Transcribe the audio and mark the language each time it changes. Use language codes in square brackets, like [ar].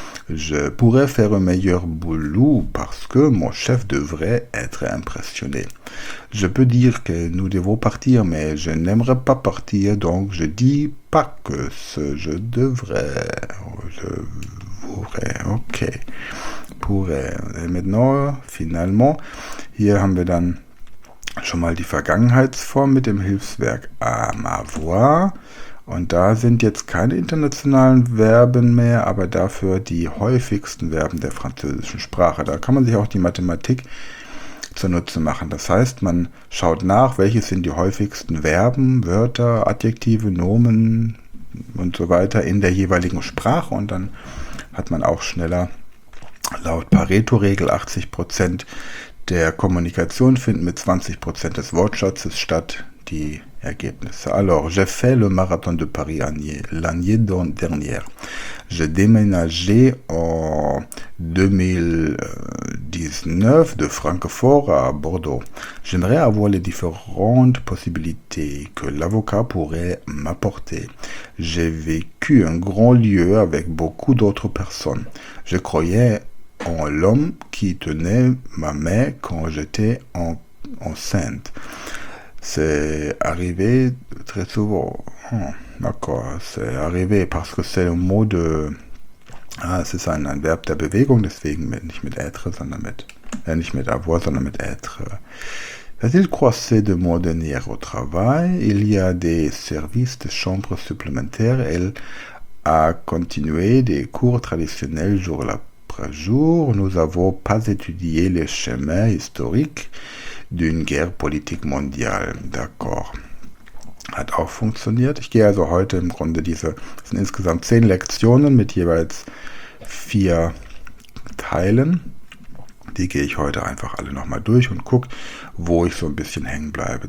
[fr] Je pourrais faire un meilleur boulot parce que mon chef devrait être impressionné. Je peux dire que nous devons partir, mais je n'aimerais pas partir, donc je dis pas que ce je devrais. Je voudrais, ok. Pourrais. Et maintenant, finalement, [de] hier haben wir dann schon mal die Vergangenheitsform mit dem Hilfsverb avoir. Und da sind jetzt keine internationalen Verben mehr, aber dafür die häufigsten Verben der französischen Sprache. Da kann man sich auch die Mathematik zunutze machen. Das heißt, man schaut nach, welche sind die häufigsten Verben, Wörter, Adjektive, Nomen und so weiter in der jeweiligen Sprache. Und dann hat man auch schneller laut Pareto-Regel 80% der Kommunikation finden mit 20% des Wortschatzes statt. Die Ergebnisse. [fr] Alors, j'ai fait le marathon de Paris l'année dernière. J'ai déménagé en 2019 de Francfort à Bordeaux. J'aimerais avoir les différentes possibilités que l'avocat pourrait m'apporter. J'ai vécu un grand lieu avec beaucoup d'autres personnes. Je croyais en l'homme qui tenait ma main quand j'étais enceinte. C'est arrivé très souvent. D'accord, c'est arrivé parce que c'est le mot de... Ah, c'est ça, un verbe [de] der Bewegung, deswegen mit, nicht mit être, sondern mit... nicht mit avoir, sondern mit être. [fr] Va-t-il croiser de moi dernier au travail? Il y a des services de chambre supplémentaires. Elle a continué des cours traditionnels jour après jour. Nous n'avons pas étudié les chemins historiques d'une guerre politique mondiale. D'accord. [de] Hat auch funktioniert. Ich gehe also heute im Grunde diese, es sind insgesamt 10 Lektionen mit jeweils 4 Teilen. Die gehe ich heute einfach alle nochmal durch und gucke, wo ich so ein bisschen hängen bleibe.